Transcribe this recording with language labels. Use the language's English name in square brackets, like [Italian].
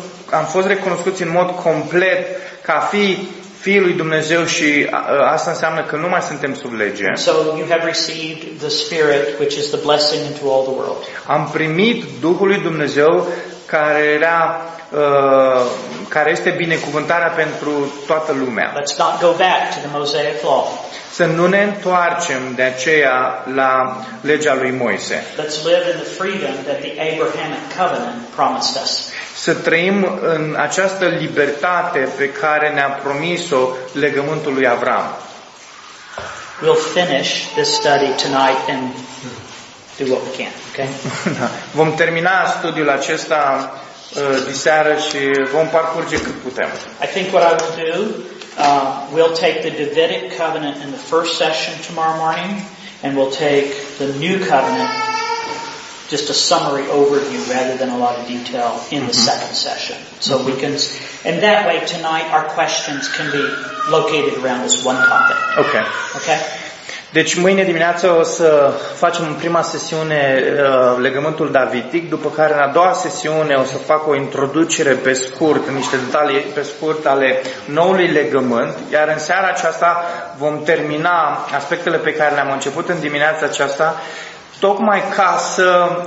[Romanian] Am fost recunoscuți în mod complet ca fiul lui Dumnezeu și asta înseamnă că nu mai suntem sub lege. [English] So you have received the Spirit, which is the blessing into all the world. [Romanian] Am primit Duhul lui Dumnezeu care era care este binecuvântarea pentru toată lumea. [English] Let's not go back to the Mosaic law. [Romanian] Să nu ne întoarcem de aceea la legea lui Moise. [English] Let's live in the freedom that the Abrahamic covenant promised us. [Romanian] Să trăim în această libertate pe care ne-a promis-o legământul lui Avram. [English] We'll finish this study tonight and do what we can, okay? [Romanian] Vom termina studiul acesta diseară și vom parcurge cât putem. [English] I think what I will do, we'll take the Davidic covenant in the first session tomorrow morning and we'll take the new covenant, just a summary overview rather than a lot of detail in the second session. So we can, and that way tonight our questions can be located around this one topic. Okay. Okay? [Romanian] Deci mâine dimineață o să facem în prima sesiune legământul davitic, după care în a doua sesiune o să fac o introducere pe scurt, niște detalii pe scurt ale noului legământ, iar în seara aceasta vom termina aspectele pe care le-am început în dimineața aceasta, tocmai ca să